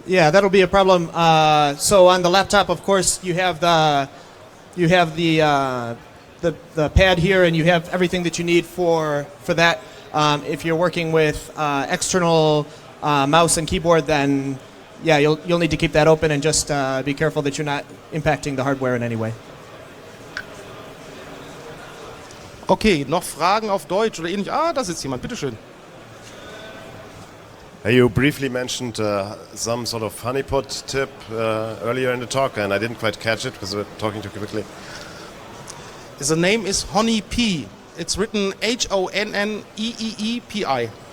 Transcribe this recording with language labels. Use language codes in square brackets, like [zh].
[en] Yeah, that'll be a problem. So on the laptop, of course, you have the pad here, and you have everything that you need for that. If you're working with external mouse and keyboard, then yeah, you'll need to keep that open and just be careful that you're not impacting the hardware in any way. [de] Okay, noch Fragen auf Deutsch oder ähnlich? Ah, da sitzt jemand. Bitte schön. [en] Hey, you briefly mentioned some sort of honeypot tip earlier in the talk, and I didn't quite catch it because we're talking too quickly. The name is Honey P. It's written HONNEEEPI.